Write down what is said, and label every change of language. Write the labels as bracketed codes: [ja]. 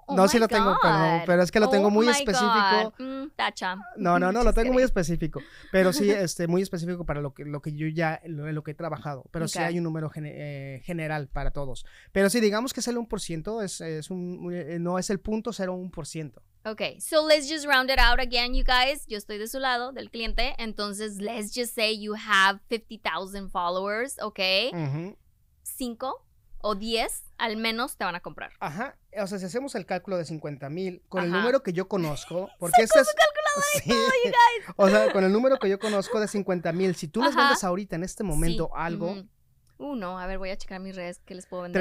[es] No, sí lo tengo, pero es que lo tengo muy específico. Tacha. No, lo tengo muy específico. Pero sí, muy específico para lo que yo ya, lo que he trabajado. Pero sí hay un número general para todos. Pero sí, digamos que sale 1%, no es el 0.01%. [en] Okay, so let's just round it out again, you guys. [es] Yo estoy de su lado, del cliente. [en] Entonces, let's just say you have 50,000 followers, okay? Uh-huh. [es] 5 o 10 al menos te van a comprar. Ajá, o sea, si hacemos el cálculo de 50,000 con el número que yo conozco, porque este es... ¡Sacó su calculadora! Sí. O sea, con el número que yo conozco de 50,000, si tú les vendes ahorita en este momento algo... No, a ver, voy a checar mis redes, ¿qué les puedo vender